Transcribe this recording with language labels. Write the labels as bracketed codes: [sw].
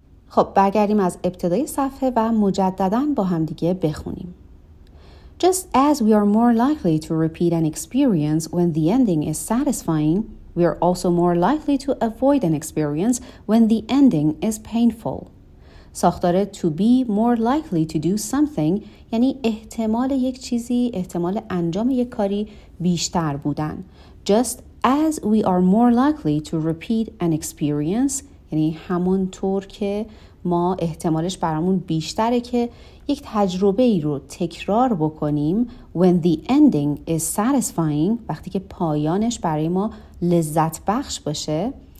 [fa] خب برگردیم از ابتدای صفحه و مجدداً با هم دیگه بخونیم. [en] Just as we are more likely to repeat an experience when the ending is satisfying, we are also more likely to avoid an experience when the ending is painful. [fa] ساختار [en] to be more likely to do something [fa] یعنی احتمال یک چیزی، احتمال انجام یک کاری بیشتر بودن. [en] Just as we are more likely to repeat an experience [fa] یعنی همون طور که ما احتمالش برامون بیشتره که یک تجربه ای رو تکرار بکنیم [en] when the ending is satisfying [fa] وقتی که پایانش برای ما لذت بخش باشه